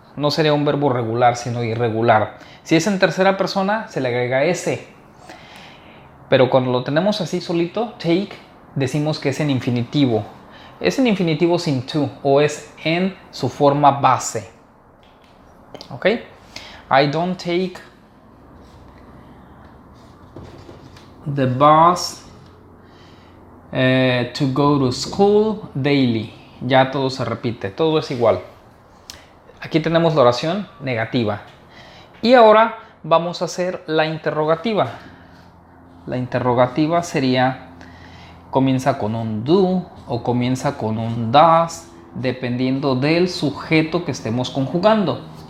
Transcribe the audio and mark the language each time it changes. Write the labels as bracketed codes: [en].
[es] No sería un verbo regular, sino irregular. Si es en tercera persona, se le agrega s. Pero cuando lo tenemos así solito, take, decimos que es en infinitivo. Es en infinitivo sin to, o es en su forma base. ¿Ok? [en] I don't take the bus to go to school daily. [es] Ya todo se repite, todo es igual. Aquí tenemos la oración negativa. Y ahora vamos a hacer la interrogativa. La interrogativa sería, comienza con un do o comienza con un does, dependiendo del sujeto que estemos conjugando.